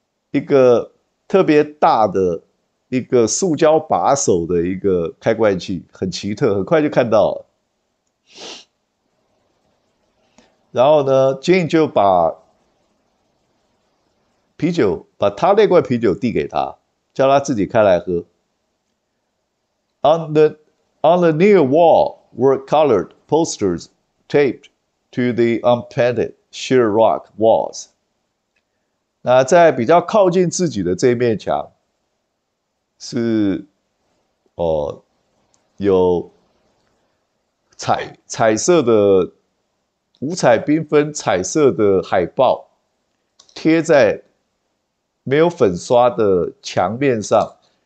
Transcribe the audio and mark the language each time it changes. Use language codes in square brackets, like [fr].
[zh] 一个特别大的一个塑胶把手的一个开关器，很奇特，很快就看到了。然后呢，Jane 就把啤酒，把他那罐啤酒递给他，叫他自己开来喝。 [en] On the near wall were colored posters taped to the unpainted sheer rock walls。 [zh] 那在比较靠近自己的这面墙，是，有彩色的五彩缤纷彩色的海报贴在没有粉刷的墙面上。